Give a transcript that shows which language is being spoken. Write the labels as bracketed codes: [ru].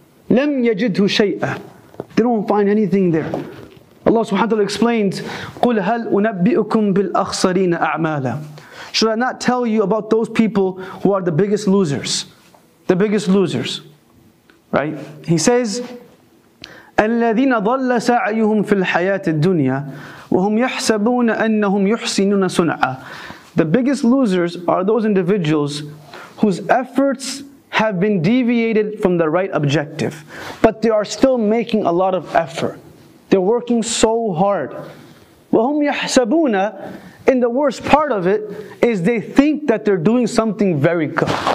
[ar] لَمْ يَجِدْهُ شَيْئًا. [en] They don't find anything there. Allah subhanahu wa ta'ala explains, [ar] قُلْ هَلْ أُنَبِّئُكُمْ بِالْأَخْسَرِينَ أَعْمَالًا. [en] Should I not tell you about those people who are the biggest losers? The biggest losers. Right? He says, [ar] الذين ضل سعيهم في الحياة الدنيا وهم يحسبون أنهم يحسنون صنعا. [en] The biggest losers are those individuals whose efforts have been deviated from the right objective, but they are still making a lot of effort. They're working so hard. [ar] وَهُمْ يَحْسَبُونَ [en] In the worst part of it, is they think that they're doing something very good.